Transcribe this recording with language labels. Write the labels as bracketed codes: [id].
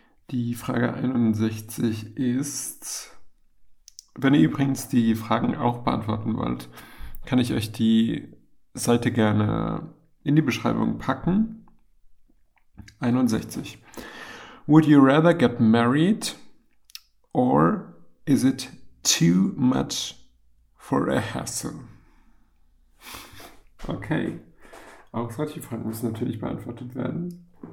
[de] Die Frage 61 ist, wenn ihr übrigens die Fragen auch beantworten wollt, kann ich euch die Seite gerne in die Beschreibung packen. 61. [en] Would you rather get married or is it too much for a hassle? [de] Okay. Auch solche Fragen müssen natürlich beantwortet werden.